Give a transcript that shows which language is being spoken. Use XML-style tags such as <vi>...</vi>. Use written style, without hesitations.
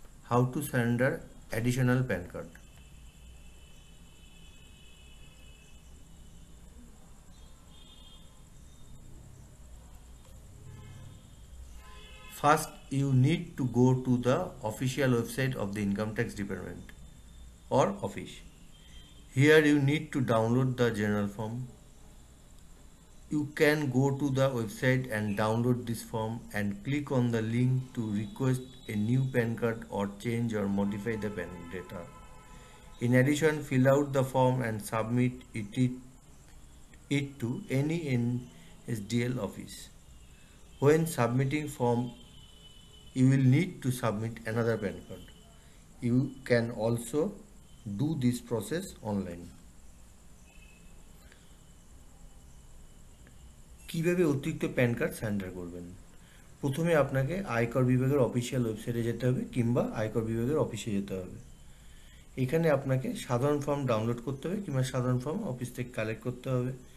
<en>How to surrender additional PAN card, first you need to go to the official website of the income tax department or office, here you need to download the general form. You can go to the website and download this form and click on the link to request a new PAN card or change or modify the PAN data. In addition, fill out the form and submit it to any NSDL office. When submitting form, you will need to submit another PAN card. You can also do this process online.</en> <bn>কীভাবে অতিরিক্ত pan card surrender করবেন, প্রথমে আপনাকে আয়কর বিভাগের official ওয়েবসাইটে যেতে হবে কিংবা আয়কর বিভাগের অফিসে যেতে হবে। এখানে আপনাকে সাধারণ ফর্ম ডাউনলোড করতে হবে কিংবা সাধারণ ফর্ম অফিস থেকে কালেক্ট করতে হবে।</bn>